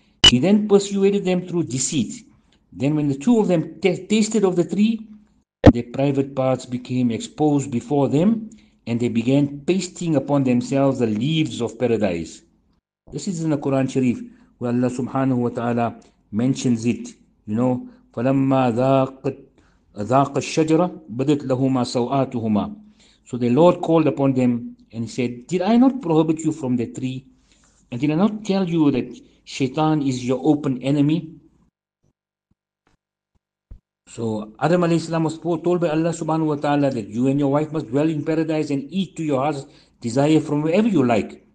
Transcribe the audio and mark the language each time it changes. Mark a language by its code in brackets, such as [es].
[en] He then persuaded them through deceit. Then when the two of them tasted of the tree, their private parts became exposed before them, and they began pasting upon themselves the leaves of paradise. This is in the Quran Sharif, where Allah subhanahu wa ta'ala mentions it. You know, [ar] فَلَمَّا ذَاقَ الشَّجَرَ بَدَتْ لَهُمَا سَوْآتُهُمَا. [en] So the Lord called upon them and said, did I not prohibit you from the tree? And did I not tell you that Shaitan is your open enemy? So Adam alayhi salam was told by Allah subhanahu wa ta'ala that you and your wife must dwell in paradise and eat to your heart's desire from wherever you like.